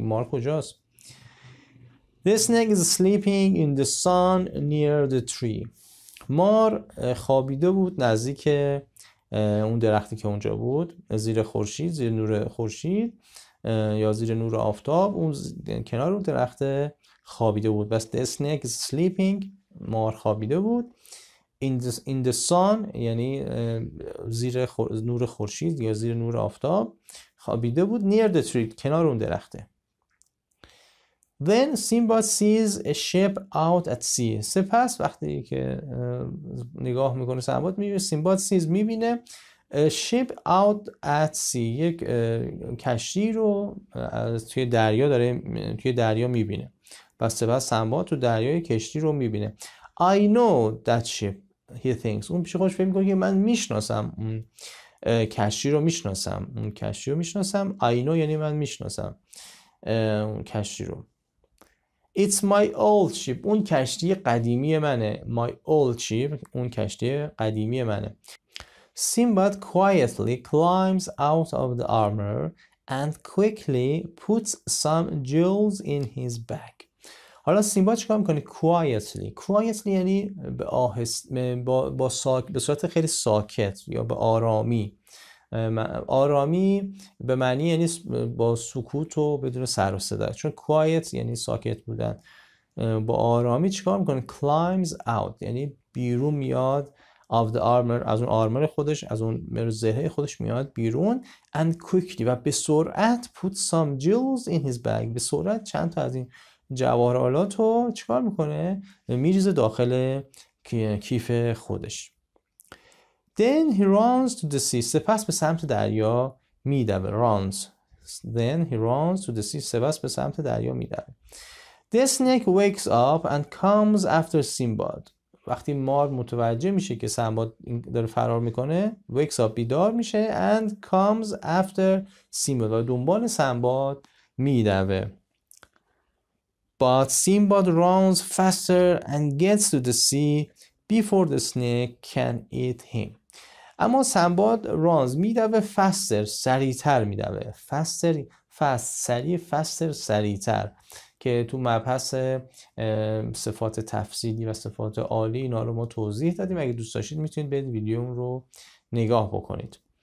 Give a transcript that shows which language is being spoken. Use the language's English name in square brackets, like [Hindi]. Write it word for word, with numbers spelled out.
[English] مار کجاست؟ The snake is sleeping in the sun near the tree. [Persian] مار خوابیده بود نزدیک اون درختی که اونجا بود، زیر خورشید، زیر نور خورشید یا زیر نور آفتاب، اون کنار اون درخت خوابیده بود. بس the snake is sleeping. مار خوابیده بود. [English] In the, in the sun یعنی زیر خور... [Persian] نور خورشید یا زیر نور آفتاب خوابیده بود near the tree کنار اون درخته. [English] Then Simba sees a ship out at sea. [Persian] سپس وقتی که اه، نگاه میکنه سمباد میبینه سیمباد سیز میبینه ship out at sea، یک اه، کشتی رو از توی دریا داره م- توی دریا میبینه. پس سپس سنباد تو دریای کشتی رو میبینه. [English] I know that ship he thinks. [Persian] اون پیش خودش فکر میکنه که من میشناسم اون اه، کشتی رو میشناسم اون کشتی رو میشناسم. I know یعنی من میشناسم اون کشتی رو. It's my old ship. اون کشتی قدیمی منه. My old ship. اون کشتی قدیمی منه. [English] Sinbad quietly climbs out of the armor and quickly puts some jewels in his bag. [Persian] حالا سیمباد چیکار میکنه؟ quietly quietly یعنی به آهست با, با ساک... به صورت خیلی ساکت یا به آرامی. ام، آرامی به معنی یعنی س- با سکوت و بدون سر و صدا، چون quiet یعنی ساکت بودن. ام، با آرامی چیکار میکنه؟ climbs out یعنی بیرون میاد of the armor، از اون آرمر خودش، از اون زره خودش میاد بیرون. and quickly و به سرعت put some jewels in his bag، به سرعت چند تا از این جواهرات رو چیکار میکنه؟ میریزه داخل کی- کیف خودش. [English] Then he runs to the sea. سپس به سمت دریا میدوه. Runs. Then he runs to the sea. سپس به سمت دریا میدوه. The snake wakes up and comes after Sinbad. [Persian] وقتی مار متوجه میشه که سنباد داره فرار میکنه، wakes up بیدار میشه and comes after Sinbad. و دنبال سنباد میدوه. [English] But Sinbad runs faster and gets to the sea before the snake can eat him. [Persian] اما سنباد رانز میدوه فستر، سریعتر میدوه. فستر فست سریع، فستر سریعتر، که تو مبحث ام، صفات تفصیلی و صفات عالی اینا رو ما توضیح دادیم. اگه دوست داشتید میتونید برید ویدیوم رو نگاه بکنید.